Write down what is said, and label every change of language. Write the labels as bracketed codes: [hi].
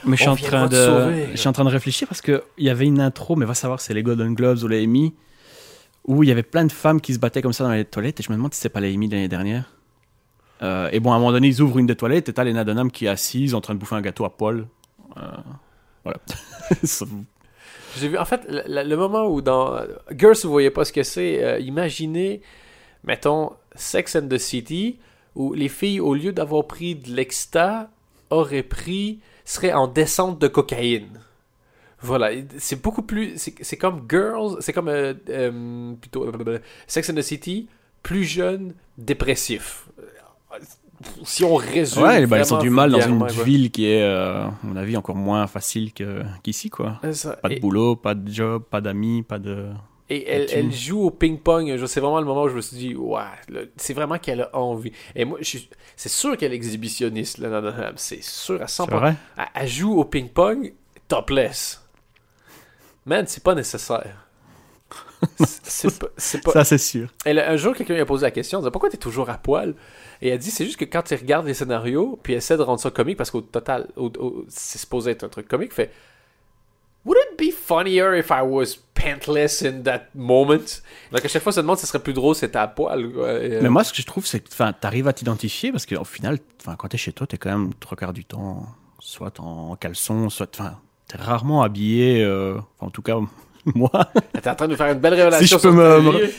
[fr] Mais je suis en train de sauver. Je suis en train de réfléchir parce que il y avait une intro, mais va savoir si c'est les Golden Globes ou les Emmy, où il y avait plein de femmes qui se battaient comme ça dans les toilettes, et je me demande si c'est pas les Emmy l'année dernière. Et bon, à un moment donné, ils ouvrent une des toilettes et t'as Lena Dunham qui est assise en train de bouffer un gâteau à poil. Voilà. J'ai vu. En fait, le moment où dans Girls, vous voyez pas ce que c'est. Imaginez, mettons Sex and the City. Où les filles, au lieu d'avoir pris de l'exta, auraient pris, seraient en descente de cocaïne. Voilà, c'est beaucoup plus, c'est comme Girls, c'est comme plutôt Sex and the City, plus jeune, dépressif. Si on résume. Ouais, vraiment, ben ils sont du mal dans une ville qui est, à mon avis, encore moins facile qu'ici, quoi. Pas de boulot, pas de job, pas d'amis, pas de. Et elle joue au ping-pong. C'est vraiment le moment où je me suis dit, ouais, c'est vraiment qu'elle a envie. Et moi, c'est sûr qu'elle est exhibitionniste, là, non. C'est sûr, à 100%. C'est vrai? Elle joue au ping-pong topless. Man, c'est pas nécessaire. Ça, c'est sûr. Elle, un jour, quelqu'un lui a posé la question, elle dit, pourquoi t'es toujours à poil? Et elle dit, c'est juste que quand tu regardes les scénarios, puis essaie de rendre ça comique, parce qu'au total, c'est supposé être un truc comique, fait. [en] Would it be funnier if I was pantless in that moment? [fr] Donc à chaque fois, ça demande, ce serait plus drôle si t'étais à poil. Mais moi, ce que je trouve, c'est que t'arrives à t'identifier parce qu'au final, quand t'es chez toi, t'es quand même 3/4 du temps soit en caleçon, soit. Enfin, t'es rarement habillé. En tout cas, moi. T'es en train de faire une belle révélation. Si je peux me.